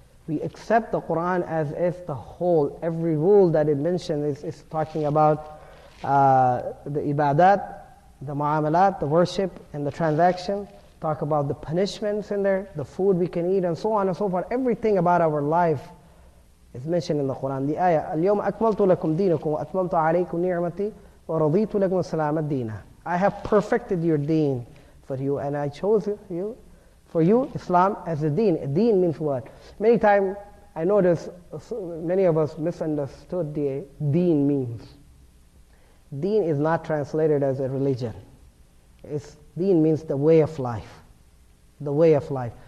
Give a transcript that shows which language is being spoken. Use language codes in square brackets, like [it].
[en] We accept the Quran as if the whole, every rule that it mentioned is talking about the ibadat, the mu'amalat, the worship and the transaction, talk about the punishments in there, the food we can eat and so on and so forth. Everything about our life is mentioned in the Quran. The ayah, [ar] اليوم أكملت لكم دينكم وأتممت عليكم نعمتي ورضيت لكم السلام الدين. [en] I have perfected your deen for you and I chose you for you Islam as a deen. A deen means what? Many times I notice many of us misunderstood the deen means. Deen is not translated as a religion. It's deen means the way of life. The way of life.